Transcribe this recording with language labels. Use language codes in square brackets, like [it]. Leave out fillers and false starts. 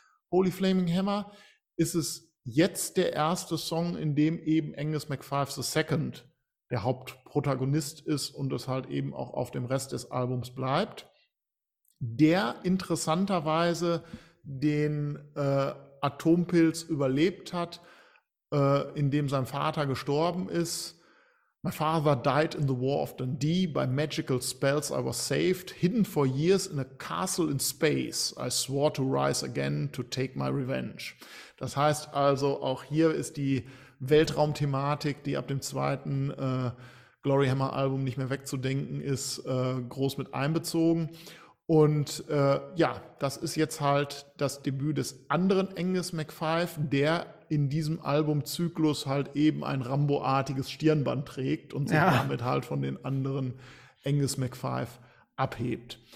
[de] Holy Flaming Hammer ist es jetzt der erste Song, in dem eben Angus McFives the Second der Hauptprotagonist ist und es halt eben auch auf dem Rest des Albums bleibt. Der interessanterweise den Atompilz überlebt hat, indem sein Vater gestorben ist. [en] My father died in the War of Dundee. By magical spells I was saved. Hidden for years in a castle in space. I swore to rise again to take my revenge. [de] Das heißt also, auch hier ist die Weltraumthematik, die ab dem zweiten Gloryhammer-Album nicht mehr wegzudenken ist, groß mit einbezogen. Und ja, das ist jetzt halt das Debüt des anderen Angus McFife, der in diesem Albumzyklus halt eben ein Rambo-artiges Stirnband trägt und sich damit halt von den anderen Angus McFife abhebt.